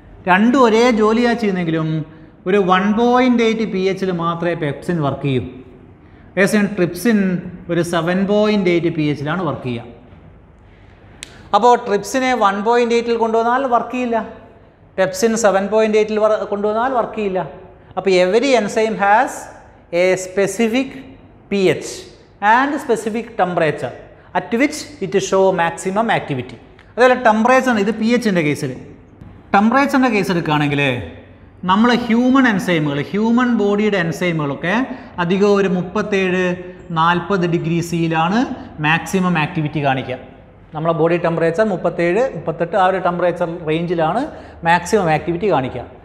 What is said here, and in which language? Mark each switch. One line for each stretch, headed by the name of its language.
Malayalam: രണ്ടും ഒരേ ജോലിയാണ് ചെയ്യുന്നെങ്കിലും ഒരു 1.8 PHയിൽ മാത്രമേ പെപ്സിൻ വർക്ക് ചെയ്യൂ, അതേസമയം ട്രിപ്സിൻ ഒരു 7.8 PHയിലാണ് വർക്ക് ചെയ്യുക. അപ്പോൾ ട്രിപ്സിനെ 1.8 കൊണ്ടുവന്നാൽ വർക്ക് ചെയ്യില്ല, പെപ്സിൻ 7.8 കൊണ്ടുവന്നാൽ വർക്ക് ചെയ്യില്ല.
English: അപ്പോൾ every enzyme has a specific PH and specific temperature. at which it show maximum activity.
Malayalam: അതുപോലെ ടെമ്പറേച്ചർ ഇത് പി എച്ച് ൻ്റെ കേസിൽ ടെമ്പറേച്ചറിൻ്റെ കേസ് എടുക്കുകയാണെങ്കിൽ നമ്മൾ ഹ്യൂമൻ എൻസൈമുകൾ ഹ്യൂമൻ ബോഡിയുടെ എൻസൈമുകളൊക്കെ അധികം ഒരു 37-40 ഡിഗ്രി സിയിലാണ് മാക്സിമം ആക്ടിവിറ്റി കാണിക്കുക. നമ്മളെ ബോഡി ടെമ്പറേച്ചർ 37-38 ആ ഒരു ടെമ്പറേച്ചർ റേഞ്ചിലാണ് മാക്സിമം ആക്ടിവിറ്റി കാണിക്കുക.